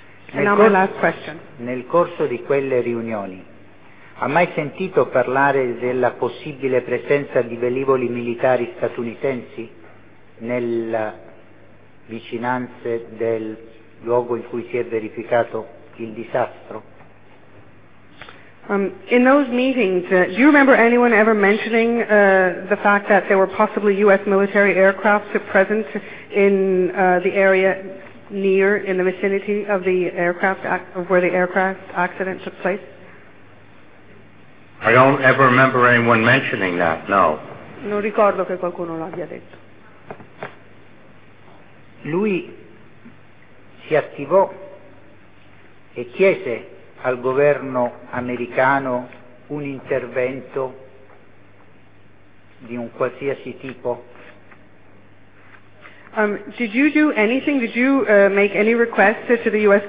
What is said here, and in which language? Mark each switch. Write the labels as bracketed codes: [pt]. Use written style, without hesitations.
[it] Nel corso di quelle riunioni ha mai sentito parlare della possibile presenza di velivoli militari statunitensi nelle vicinanze del luogo in cui si è verificato il disastro? [en] In those meetings, do you remember anyone ever mentioning the fact that there were possibly U.S. military aircraft present in the area near, in the vicinity of the aircraft, of where the aircraft accident took place? I don't ever remember anyone mentioning that, no. [it] Non ricordo che qualcuno l'abbia detto. Lui si attivò e chiese al governo americano un intervento di un qualsiasi tipo. [en] Did you do anything? Did you make any requests to the U.S.